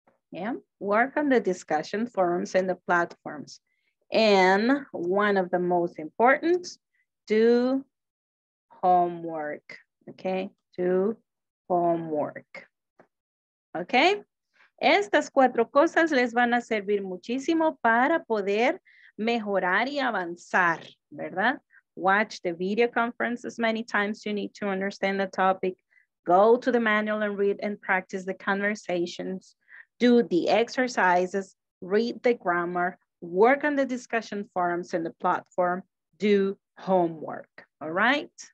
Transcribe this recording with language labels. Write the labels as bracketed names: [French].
[English] Yeah, work on the discussion forums in the platforms. And one of the most important, do homework, okay? Do homework. [Spanish] Ok, estas cuatro cosas les van a servir muchísimo para poder mejorar y avanzar, ¿verdad? [English] Watch the video conference as many times you need to understand the topic. Go to the manual and read and practice the conversations. Do the exercises, read the grammar, work on the discussion forums in the platform, do homework, all right?